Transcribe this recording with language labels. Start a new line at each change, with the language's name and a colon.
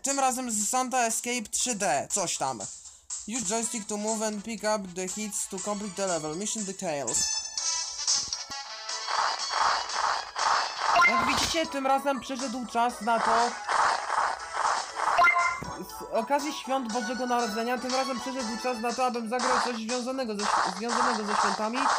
Polish: Tym razem z Santa Escape 3D, coś tam.
English: Use joystick to move and pick up the hits to complete the level. Mission details.
Polish: Jak widzicie, tym razem przyszedł czas na to... Z okazji świąt Bożego Narodzenia, tym razem przyszedł czas na to, abym zagrał coś związanego ze świętami.